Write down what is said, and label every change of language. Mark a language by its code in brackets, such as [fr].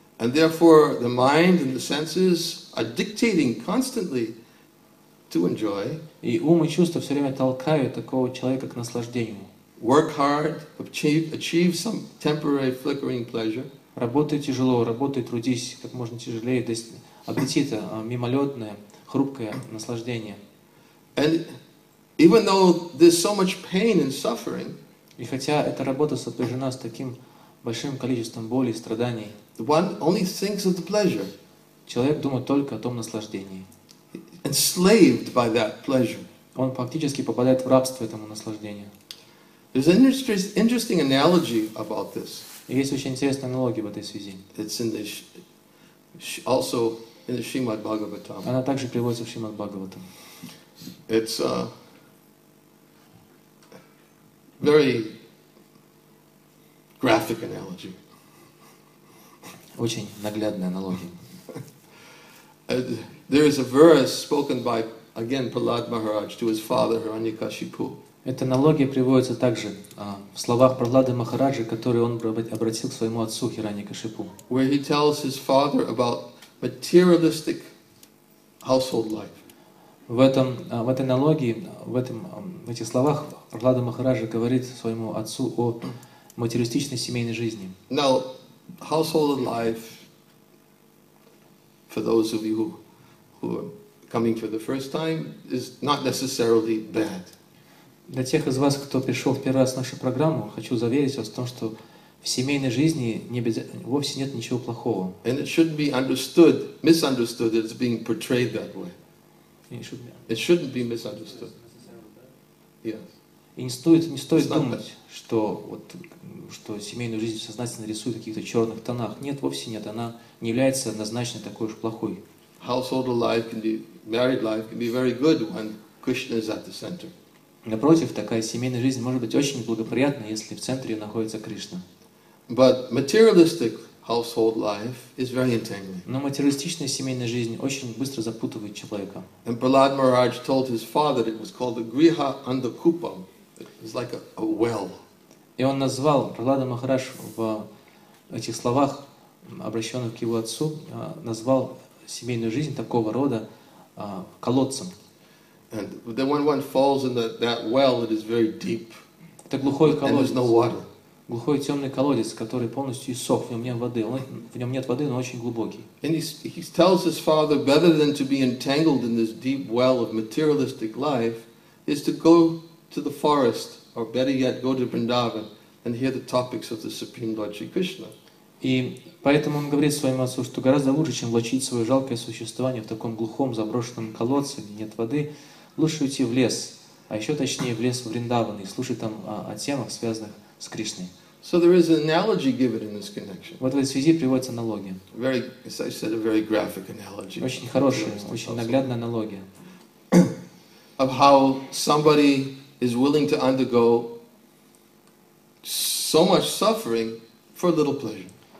[en] And therefore, the mind and the senses are dictating constantly to enjoy. [ru] И ум и чувства все время толкают такого человека к наслаждению. [en] Work hard, achieve some temporary flickering pleasure. [ru] Работай тяжело, работай, трудись как можно тяжелее, обрети это мимолетное, хрупкое наслаждение. [en] And even though there's so much pain and suffering, [ru] и хотя эта работа сопряжена с таким большим количеством боли и страданий, [en] one only thinks of the pleasure. [ru] Человек думает только о том наслаждении. [en] Enslaved by that pleasure. [ru] Он фактически попадает в рабство этому наслаждению. [en] There's an interesting analogy about this. [ru] Есть очень интересная аналогия в этой связи. [en] It's in the also in the Shrimad Bhagavatam. [ru] Она также приводится в Шримад Бхагаватам. [en] It's a very graphic analogy. [ru] Очень наглядная аналогия. [en] There is a verse spoken by again Prahlad Maharaj to his father Hiranyakashipu. [ru] Эта аналогия приводится также в словах Прохлады Махараджи, которые он обратил к своему отцу Хираньякашипу. [en] Where he tells his father about materialistic household life. [ru] В этом в этой аналогии в этом в этих словах Прохлада Махараджи говорит своему отцу о материалистичной семейной жизни. [en] Now, household life for those of you who are coming for the first time is not necessarily bad. [ru] Для тех из вас, кто пришел в первый раз в нашу программу, хочу заверить вас в том, что в семейной жизни не без... вовсе нет ничего плохого. [en] And it shouldn't be understood, misunderstood that it's being portrayed that way. It shouldn't be misunderstood. Yes. [ru] И не стоит думать, что вот что семейную жизнь сознательно рисуют в каких-то черных тонах. Нет, вовсе нет. Она не является однозначно такой уж плохой. [en] Household life can be, married life can be very good when Krishna is at the center. [ru] Напротив, такая семейная жизнь может быть очень благоприятна, если в центре находится Кришна. [en] But materialistic household life is very entangling. [ru] Но материалистичная семейная жизнь очень быстро запутывает человека. [en] And Prahlad Maharaj told his father it was called the Griha Andhakupam. It was like a well. [ru] И он назвал Прохлада Махарадж в этих словах, обращенных к его отцу, назвал семейную жизнь такого рода колодцем. [en] And then when one falls in that well, it is very deep. [ru] Это глухой колодец. [en] And there's no water. [ru] Глухой темный колодец, который полностью иссох. В нем нет воды. В нем нет воды, но очень глубокий. [en] And he tells his father better than to be entangled in this deep well of materialistic life is to go to the forest, or better yet, go to Vrindavan and hear the topics of the Supreme Lord Sri Krishna. [ru] И поэтому он говорит своему отцу, что гораздо лучше, чем влачить свое жалкое существование в таком глухом, заброшенном колодце, где нет воды, лучше уйти в лес, а еще точнее в лес Вриндаван и слушать там о темах, связанных с Кришной. [en] So there is an analogy given in this connection. [ru] Вот в этой связи приводится аналогия. [en] Very, as I said, a very graphic analogy. [ru] Очень хорошая, очень наглядная аналогия. [en] Of how somebody is willing to undergo so much suffering for a little pleasure.